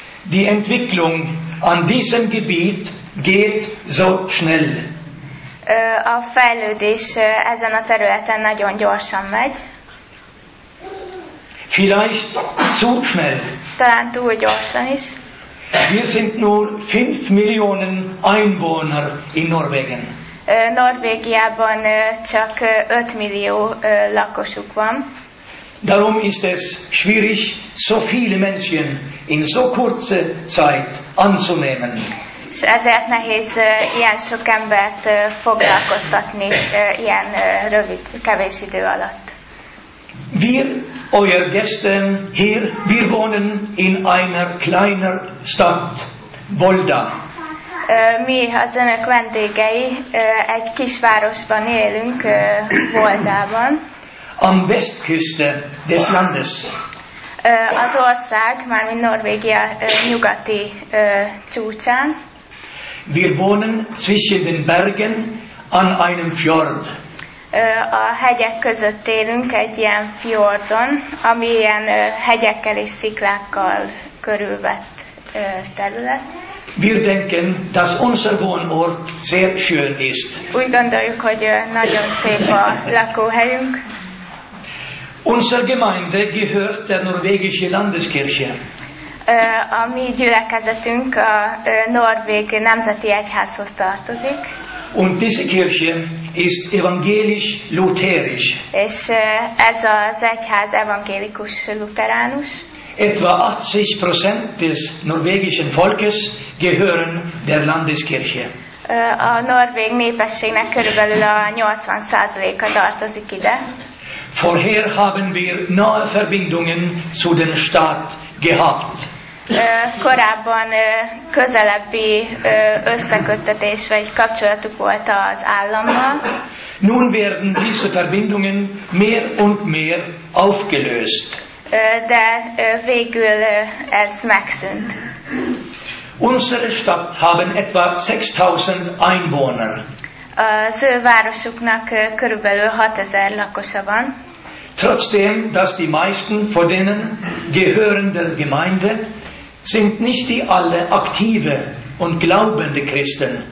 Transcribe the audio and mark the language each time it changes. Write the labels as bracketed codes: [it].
[de] Die Entwicklung an diesem Gebiet geht so schnell. [hu] A fejlődés ezen a területen nagyon gyorsan megy. [de] Vielleicht zu schnell. [hu] Talán túl gyorsan is. [de] Wir sind nur 5 Millionen Einwohner in Norwegen. [hu] Norvégiában csak 5 millió lakosuk van. [de] Darum ist es schwierig, so viele Menschen in so kurze Zeit anzunehmen. [hu] És ezért nehéz ilyen sok embert foglalkoztatni ilyen rövid, kevés idő alatt. [de] Wir, euer Gäste hier, wir wohnen in einer kleinen Stadt, Volda. [hu] Mi az önök vendégei egy kisvárosban élünk, Voldában. [de] Am Westküste des Landes. [hu] Az ország, mármint Norvégia nyugati csúcsán. [de] Wir wohnen zwischen den Bergen an einem Fjord. [hu] A hegyek között élünk egy ilyen fjordon, ami ilyen hegyekkel és sziklákkal körülvett terület. [de] Wir denken, dass unser Wohnort sehr schön ist. [hu] Úgy gondoljuk, hogy nagyon szép a lakóhelyünk. [de] Unser Gemeinde gehört der norwegische Landeskirche. [hu] A mi gyülekezetünk a norvég nemzeti egyházhoz tartozik. [de] Und diese Kirche ist evangelisch-lutherisch. [hu] És ez az egyház evangélikus-luteránus. [de] Etwa 80% des norwegischen Volkes gehören der Landeskirche. [hu] A norvég népességnek körülbelül a 80%-a tartozik ide. [de] Vorher haben wir nahe Verbindungen zu dem Staat gehabt. [hu] Korábban közelebbi összeköttetés vagy kapcsolatuk volt az állammal. [de] Nun werden diese Verbindungen mehr und mehr aufgelöst. [hu] De végül ez megszűnt. [de] Unsere Stadt haben etwa 6000 Einwohner. [hu] Az ő városuknak körülbelül 6000 lakosa van. [de] Trotzdem, dass die meisten von denen gehören der Gemeinde, sind nicht die alle aktive und glaubende Christen.